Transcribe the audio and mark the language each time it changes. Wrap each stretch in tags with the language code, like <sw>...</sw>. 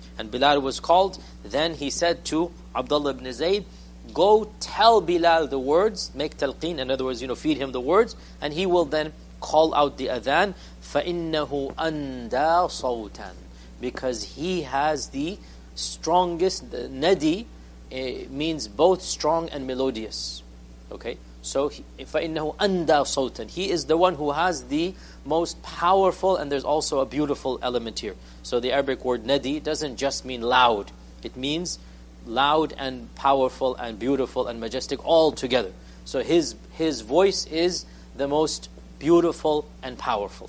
<en>And Bilal was called. Then he said to Abdullah ibn Zayd, "Go tell Bilal the words, make talqeen, in other words, you know, feed him the words, and he will then call out the adhan.</en> <ar>فَإِنَّهُ أَنْدَى صَوْتًا.</ar> <en>Because he has the strongest, the nadi means both strong and melodious. Okay, so</en> <ar>فَإِنَّهُ أَنْدَى صَوْتًا.</ar> <en>He is the one who has the most powerful, and there's also a beautiful element here. So the Arabic word nadi doesn't just mean loud. It means loud and powerful and beautiful and majestic all together. So his voice is the most beautiful and powerful.</en>